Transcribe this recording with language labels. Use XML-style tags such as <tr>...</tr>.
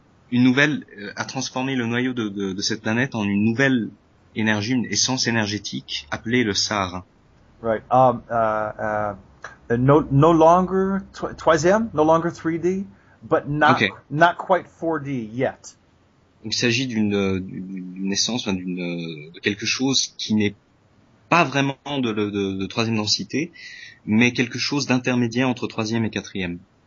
<fr>Une nouvelle a transformé le noyau de cette planète en une nouvelle énergie, une essence énergétique appelée le SAR.</fr> <en>Right. No longer 3D, but not quite 4D yet.</en> <fr>Il s'agit d'une essence, de quelque chose qui n'est pas vraiment de troisième densité, mais quelque chose d'intermédiaire entre troisième et quatrième.</fr>